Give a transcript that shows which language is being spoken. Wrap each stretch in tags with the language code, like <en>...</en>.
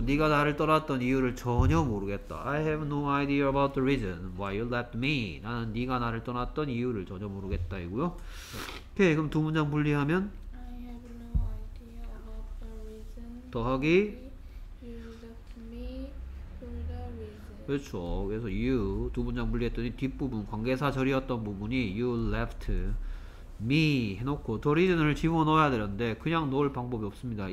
<ko>네가 나를 떠났던 이유를 전혀 모르겠다.</ko> <en>I have no idea about the reason why you left me.</en> <ko>나는 네가 나를 떠났던 이유를 전혀 모르겠다 이고요. 오케이. 그럼 두 문장 분리하면</ko> <en>I have no idea about the reason</en> <ko>더하기</ko> <en>you left me for the reason.</en> <ko>그렇죠. 그래서 you 두 문장 분리했더니 뒷부분 관계사 절이었던 부분이</ko> <en>you left me</en> <ko>해놓고 the reason을 집어넣어야 되는데 그냥 넣을 방법이 없습니다.</ko>